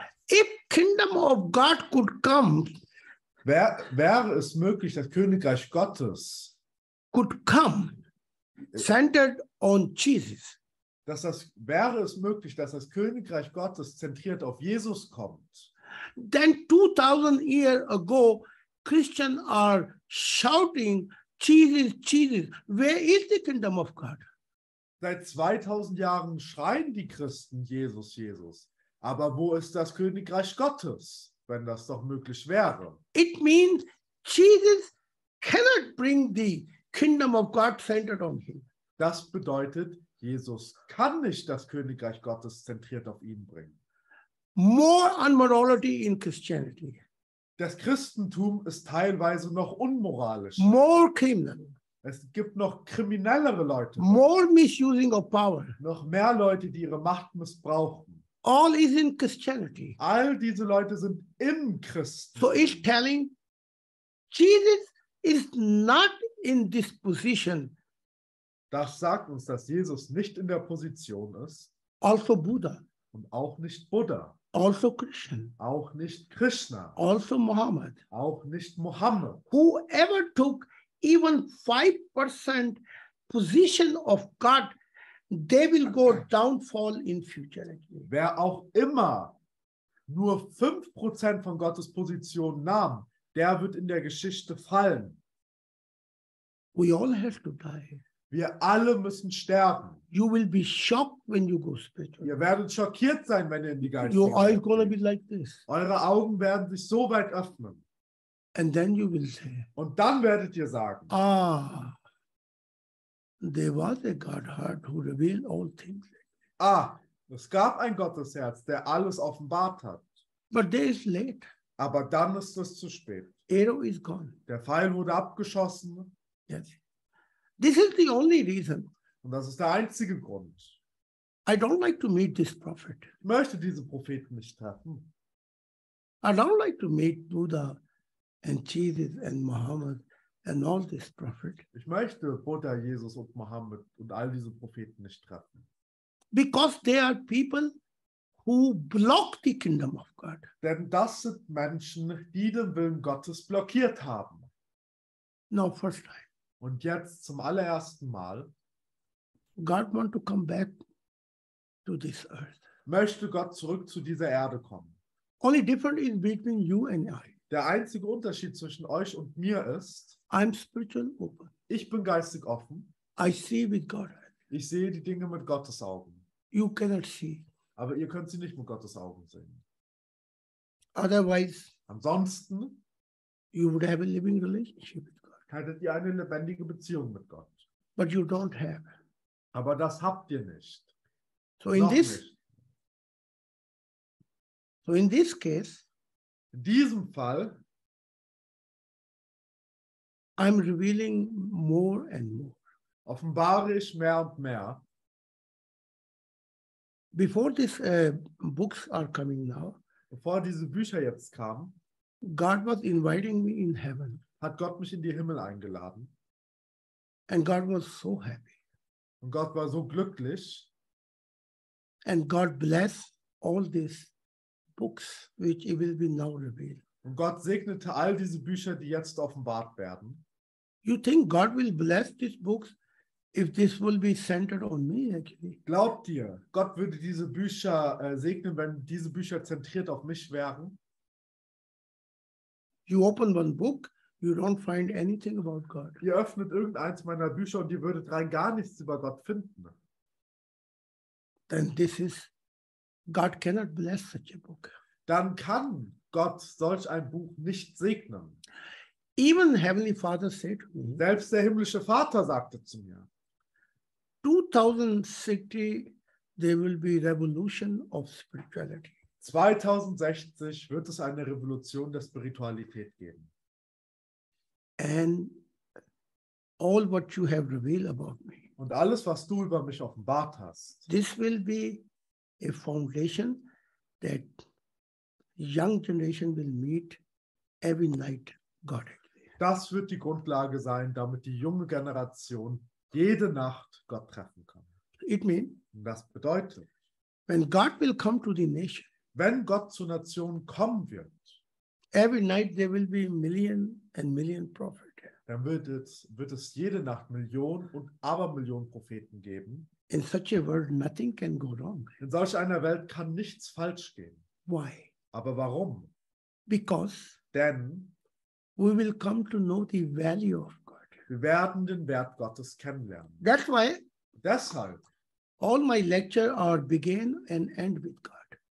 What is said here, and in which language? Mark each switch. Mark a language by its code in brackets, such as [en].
[en] If kingdom of God could come. [de] Wäre es möglich, das Königreich Gottes [en] could come centered on Jesus. [de] Wäre es möglich, dass das Königreich Gottes zentriert auf Jesus kommt. [en] Then 2000 years ago, Christians are shouting, Jesus, Jesus, where is the kingdom of God? [de] Seit 2000 Jahren schreien die Christen, Jesus, Jesus. Aber wo ist das Königreich Gottes? Wenn das doch möglich wäre. [en] It means Jesus cannot bring the kingdom of God centered on him. [de] Das bedeutet, Jesus kann nicht das Königreich Gottes zentriert auf ihn bringen. [en] More unmorality in Christianity. [de] Das Christentum ist teilweise noch unmoralisch. [en] More criminal. [de] Es gibt noch kriminellere Leute. [en] More misusing of power. [de] Noch mehr Leute, die ihre Macht missbrauchen. [en] All is in Christianity. [de] All diese Leute sind im Christen. [en] So is telling, Jesus is not in this position. [de] Das sagt uns, dass Jesus nicht in der Position ist. [en] Also Buddha. [de] Und auch nicht Buddha. [en] Also Christian. [de] Auch nicht Krishna. [en] Also Muhammad. [de] Auch nicht Muhammad. [en] Whoever took even 5% position of God, they will go downfall in future. [de] Wer auch immer nur 5% von Gottes Position nahm, der wird in der Geschichte fallen. [en] We all have to die. [de] Wir alle müssen sterben. [en] You will be shocked when you go spiritual. [de] Ihr werdet schockiert sein, wenn ihr in die Geist geht. [en] Your eyes gonna be like this. [de] Eure Augen werden sich so weit öffnen. [en] And then you will say. [de] Und dann werdet ihr sagen. Ah. [en] There was a God heart who revealed all things. [de] Ah, es gab ein Gottesherz, der alles offenbart hat. [en] But there is late. [de] Aber dann ist es zu spät. [en] Arrow is gone. [de] Der Pfeil wurde abgeschossen. [en] Yes. This is the only reason. [de] Und das ist der einzige Grund. [en] I don't like to meet this prophet. [de] Ich möchte diesen Propheten nicht treffen. [en] I don't like to meet Buddha and Jesus and Muhammad and all this prophet. [de] Ich möchte Buddha, Jesus und Muhammad und all diese Propheten nicht treffen. [en] Because they are people who block the kingdom of God. [de] Denn das sind Menschen, die den Willen Gottes blockiert haben. [en] Now first time. [de] Und jetzt zum allerersten Mal. [en] God want to come back to this earth. [de] Möchte Gott zurück zu dieser Erde kommen. [en] Only different is between you and I. [de] Der einzige Unterschied zwischen euch und mir ist. [en] I'm spiritual open. [de] Ich bin geistig offen. [en] I see with God. [de] Ich sehe die Dinge mit Gottes Augen. [en] You cannot see. [de] Aber ihr könnt sie nicht mit Gottes Augen sehen. [en] Otherwise, [de] ansonsten, [en] you would have a living relationship with God. [de] Hättet ihr eine lebendige Beziehung mit Gott. [en] But you don't have. [de] Aber das habt ihr nicht. [en] So in this, so in this case, [de] in diesem Fall, [en] I'm revealing more and more. [de] Offenbare ich mehr und mehr. [en] Before these books are coming now, [de] bevor diese Bücher jetzt kamen, [en] God was inviting me in heaven. [de] Hat Gott mich in die Himmel eingeladen. [en] And God was so happy. [de] Und Gott war so glücklich. [en] And God bless all these books which will be now revealed. [de] Und Gott segnete all diese Bücher, die jetzt offenbart werden. [en] You think God will bless these books? If this will be centered on me, actually. [de] Glaubt ihr, Gott würde diese Bücher segnen, wenn diese Bücher zentriert auf mich wären? [en] You open one book, you don't find anything about God. [de] Ihr öffnet irgendeins meiner Bücher und ihr würdet rein gar nichts über Gott finden. [en] Then this is, God cannot bless such a book. [de] Dann kann Gott solch ein Buch nicht segnen. [en] Even Heavenly Father said to me. [de] Selbst der himmlische Vater sagte zu mir. [en] 2060, there will be revolution of spirituality. [de] 2060 wird es eine Revolution der Spiritualität geben. [en] And all what you have revealed about me. [de] Und alles, was du über mich offenbart hast. [en] This will be a foundation that young generation will meet every night God. [de] Das wird die Grundlage sein, damit die junge Generation jede Nacht Gott treffen kann. [en] It mean, [de] das bedeutet, [en] when God will come to the nation, [de] wenn Gott zur Nation kommen wird, [en] every night there will be million and million prophet. [de] Dann wird es jede Nacht Millionen und Abermillionen Propheten geben. [en] In such a world, nothing can go wrong. [de] In solch einer Welt kann nichts falsch gehen. [en] Why? [de] Aber warum? [en] Because. [de] Denn [en] we will come to know the value of. [de] Wir werden den Wert Gottes kennenlernen. [en] That's why. [de] Deshalb. [en] All my lecture are begin and end with God.